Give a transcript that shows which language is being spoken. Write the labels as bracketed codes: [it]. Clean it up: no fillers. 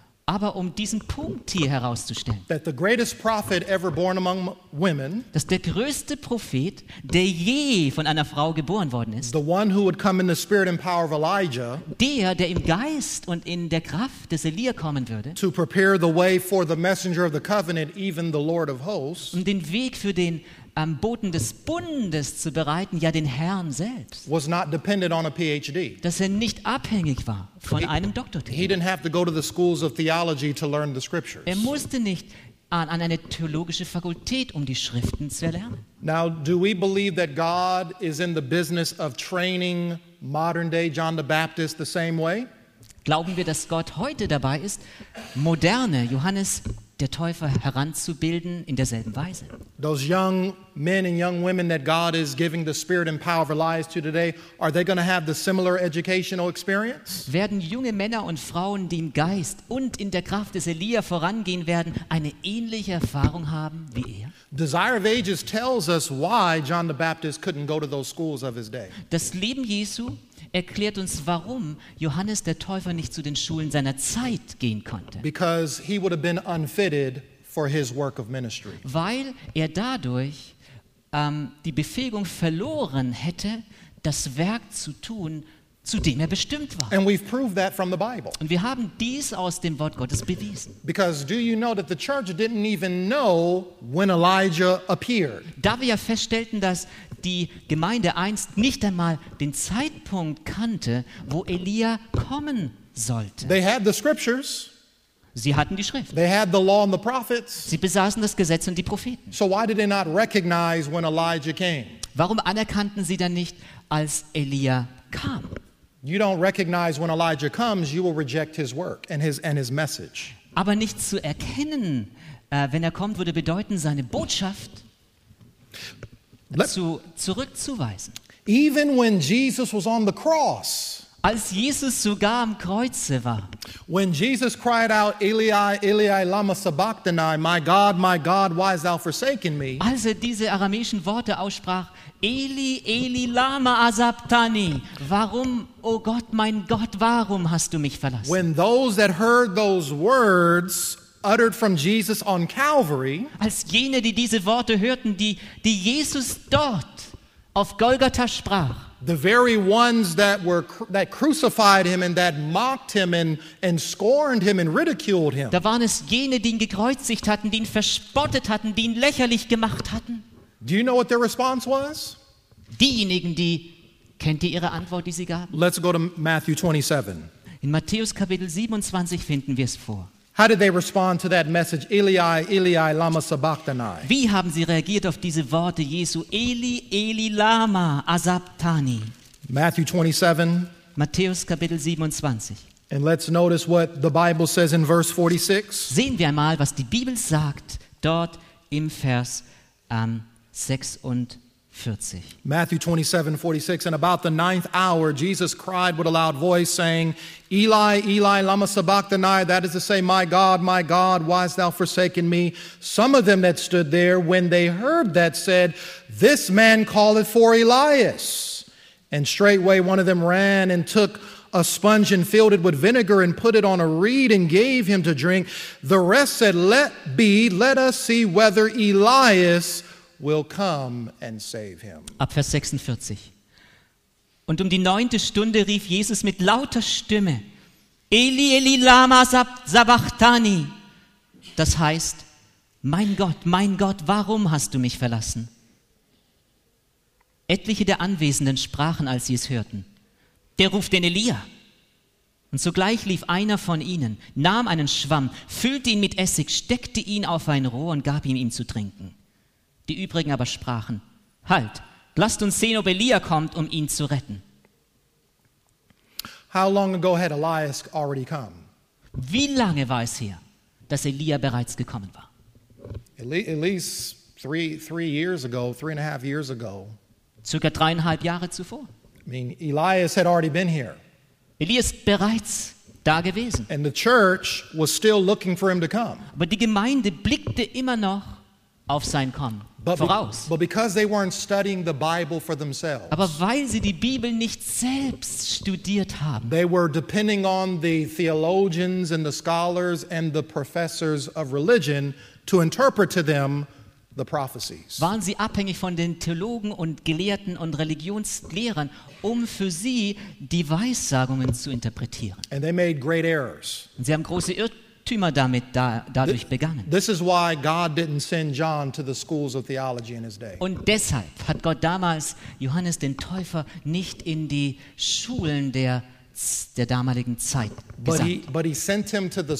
[de] Aber um diesen Punkt hier herauszustellen, [en] that the greatest prophet ever born among women, [de] dass der größte Prophet, der je von einer Frau geboren worden ist, [en] the one who would come in the spirit and power of Elijah, [de] der im Geist und in der Kraft des Elia kommen würde, [en] to prepare the way for the messenger of the covenant, even the Lord of hosts, [de] um den Weg für den Boten des Bundes zu bereiten, ja den Herrn selbst, [en] was not dependent on a PhD. [de] Dass er nicht abhängig war von einem Doktortitel. [en] He didn't have to go to the schools of theology to learn the scriptures. [de] Er musste nicht an eine theologische Fakultät, um die Schriften zu erlernen. [en] Now, do we believe that God is in the business of training modern-day John the Baptist the same way? [de] Glauben wir, dass Gott heute dabei ist, moderne Johannes der Täufer heranzubilden in derselben Weise? [en] Those young men and young women that God is giving the spirit and power of lies to today, are they going to have the similar educational experience? [de] Werden junge Männer und Frauen, die im Geist und in der Kraft des Elia vorangehen werden, eine ähnliche Erfahrung haben wie er? [en] Desire of Ages tells us why John the Baptist couldn't go to those schools of his day. [de] Das Leben Jesu erklärt uns, warum Johannes der Täufer nicht zu den Schulen seiner Zeit gehen konnte. [en] Because he would have been unfitted for his work of ministry. [de] Weil er dadurch die Befähigung verloren hätte, das Werk zu tun, zu dem er bestimmt war. [en] And we've proved that from the Bible. [de] Und wir haben dies aus dem Wort Gottes bewiesen. [en] Because do you know that the church didn't even know when Elijah appeared? [de] Da wir ja feststellten, dass die Gemeinde einst nicht einmal den Zeitpunkt kannte, wo Elia kommen sollte. [en] They had the scriptures. [de] Sie hatten die Schrift. [en] They had the law and the prophets. [de] Sie besaßen das Gesetz und die Propheten. [en] So why did they not recognize when Elijah came? [de] Warum anerkannten sie dann nicht, als Elia kam? [en] You don't recognize when Elijah comes, you will reject his work and his message. [de] Aber nicht zu erkennen, wenn er kommt, würde bedeuten, seine Botschaft zurückzuweisen. [en] Even when Jesus was on the cross, [de] als Jesus sogar am Kreuze war, [en] when Jesus cried out, [arc] "Eli, Eli, lama sabachthani," [en] my God, why hast [de] du mich verlassen? Als er diese aramäischen Worte aussprach, [arc] "Eli, Eli, lama sabachthani," [de] warum, oh Gott, mein Gott, warum hast du mich verlassen? [en] When those that heard those words uttered from Jesus on Calvary, [de] als jene, die diese Worte hörten, die Jesus dort auf Golgatha sprach, [en] the very ones that crucified him and that mocked him and scorned him and ridiculed him, [de] da waren es jene, die ihn gekreuzigt hatten, die ihn verspottet hatten, die ihn lächerlich gemacht hatten. [en] Do you know what their response was? [de] Diejenigen, die, kennt ihr ihre Antwort, die sie gaben? [en] Let's go to Matthew 27. [de] In Matthäus Kapitel 27 finden wir es vor. [en] How did they respond to that message, [arc] "Eli, Eli, lama sabachthani"? [de] Wie haben sie reagiert auf diese Worte Jesu, [arc] "Eli, Eli, lama sabachthani"? [en] Matthew 27. [de] Matthäus Kapitel 27. [en] And let's notice what the Bible says in verse 46. [de] Sehen wir einmal, was die Bibel sagt dort im Vers 46. [en] Matthew 27:46. And about the ninth hour, Jesus cried with a loud voice, saying, [arc] "Eli, Eli, lama sabachthani," [en] that is to say, my God, why hast thou forsaken me? Some of them that stood there, when they heard that, said, "This man calleth for Elias." And straightway one of them ran and took a sponge and filled it with vinegar and put it on a reed and gave him to drink. The rest said, let us see whether Elias will come and save him. [de] Ab Vers 46. Und die neunte Stunde rief Jesus mit lauter Stimme, [arc] "Eli, Eli, lama sabachthani." [de] Das heißt, mein Gott, warum hast du mich verlassen? Etliche der Anwesenden sprachen, als sie es hörten, "Der ruft den Elia." Und sogleich lief einer von ihnen, nahm einen Schwamm, füllte ihn mit Essig, steckte ihn auf ein Rohr und gab ihm zu trinken. Die übrigen aber sprachen, "Halt, lasst uns sehen, ob Elia kommt, um ihn zu retten." [en] How long ago had Elias already come? [de] Wie lange war es her, dass Elia bereits gekommen war? [en] At least three and a half years ago. [de] Circa 3,5 Jahre zuvor. [en] I mean, Elias had already been here. [de] Elias ist bereits da gewesen. [en] And the church was still looking for him to come. [de] Aber die Gemeinde blickte immer noch auf sein Kommen. [en] But because they weren't studying the Bible for themselves. [de] Aber weil sie die Bibel nicht selbst studiert haben. [en] They were depending on the theologians and the scholars and the professors of religion to interpret to them the prophecies. [de] Waren sie abhängig von den Theologen und Gelehrten und Religionslehrern, für sie die Weissagungen zu interpretieren. [en] And they made great errors. [de] Und sie haben große Irrtümer dadurch begangen. [en] This is why God didn't send John to the schools of theology in his day. [de] Und deshalb hat Gott damals Johannes den Täufer nicht in die Schulen der der damaligen Zeit gesandt.